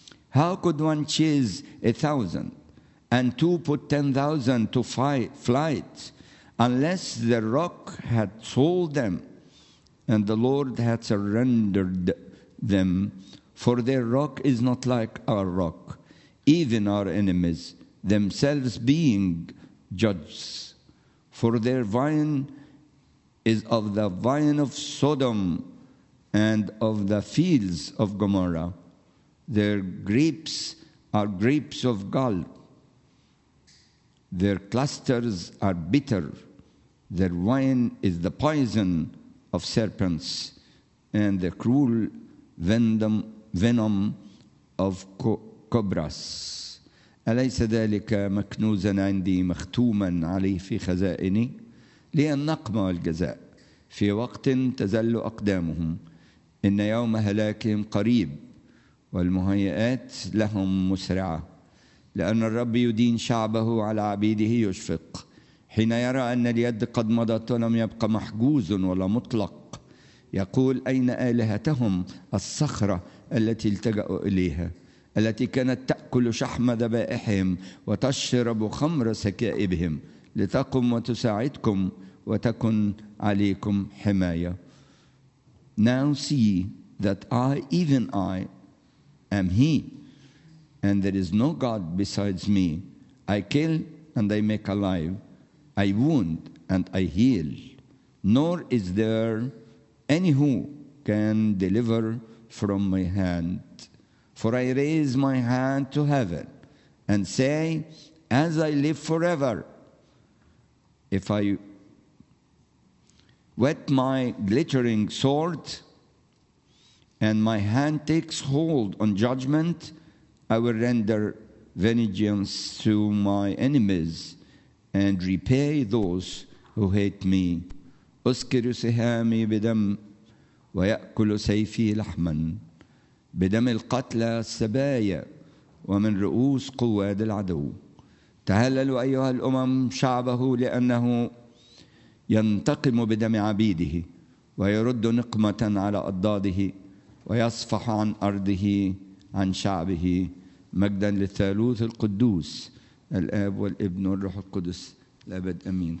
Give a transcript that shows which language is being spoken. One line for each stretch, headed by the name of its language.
English: How could one choose 1,000 and two put 10,000 to flight unless the rock had sold them and the Lord had surrendered them for their rock is not like our rock Even our enemies, themselves being judges. For their vine is of the vine of Sodom and of the fields of Gomorrah. Their grapes are grapes of gall. Their clusters are bitter. Their wine is the poison of serpents and the cruel venom of
Arabic: كبرس أليس ذلك مكنوزا عندي مختوما عليه في خزائني لي النقمة والجزاء في وقت تزل أقدامهم إن يوم هلاكهم قريب والمهيئات لهم مسرعة لأن الرب يدين شعبه على عبيده يشفق حين يرى أن اليد قد مضت ولم يبقى محجوز ولا مطلق يقول أين آلهتهم الصخرة التي التجأوا إليها التي كانت تأكل شحم ذبائحهم وتشرب خمر سكائبهم لتقم وتساعدكم وتكن عليكم حماية.
English: Now see that I am he and there is no God besides me. I kill and I make alive. I wound and I heal. Nor is there any who can deliver from my hand. For I raise my hand to heaven and say, as I live forever, if I wet my glittering sword and my hand takes hold on judgment, I will render vengeance to my enemies and repay those who hate me.
Arabic: أسكر سهامي بدم ويأكل سيفي لحماً بدم القتلى السبايا ومن رؤوس قواد العدو تا تهللوا أيها الأمم شعبه لأنه ينتقم بدم عبيده ويرد نقمة على أضداده ويصفح عن أرضه عن شعبه مجدا للثالوث القدوس الآب والابن والروح القدس الأبد أمين.